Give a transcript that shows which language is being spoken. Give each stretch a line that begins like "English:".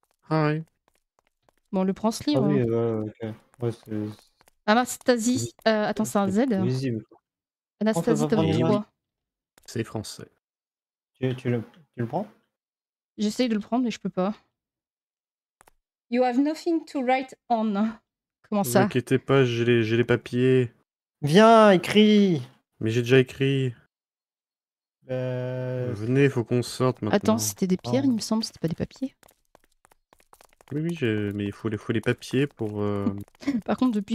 English: Hi.
French: Bon, on le prend ce livre. Ah oui, okay. Ouais, c'est... Anastasie. Attends, c'est un Z. Visible. Anastasie, t'as vu quoi? C'est français. Tu le prends? J'essaye de le prendre, mais je peux pas.
English: You have nothing to write on.
French: Comment ça? Ne vous inquiétez pas, j'ai les papiers. Viens, écris! Mais j'ai déjà écrit. Venez, faut qu'on sorte maintenant. Attends, c'était des pierres, il me semble, c'était pas des papiers. Oui, mais il faut les papiers pour. Par contre, depuis